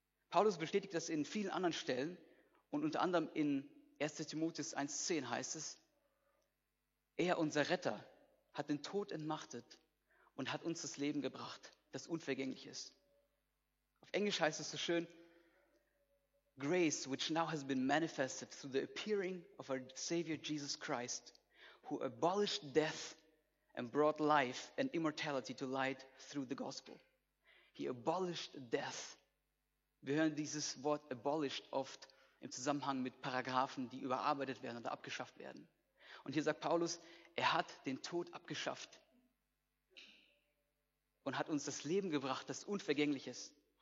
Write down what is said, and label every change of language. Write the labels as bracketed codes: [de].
[de] Paulus bestätigt das in vielen anderen Stellen und unter anderem in 1. Timotheus 1,10 heißt es: Er, unser Retter, hat den Tod entmachtet und hat uns das Leben gebracht, das unvergänglich ist. Auf Englisch heißt es so schön: [en] Grace, which now has been manifested through the appearing of our Savior Jesus Christ, who abolished death and brought life and immortality to light through the gospel. He abolished death. [de] Wir hören dieses Wort abolished oft im Zusammenhang mit Paragraphen, die überarbeitet werden oder abgeschafft werden. Und hier sagt Paulus, er hat den Tod abgeschafft und hat uns das Leben gebracht, das unvergänglich ist.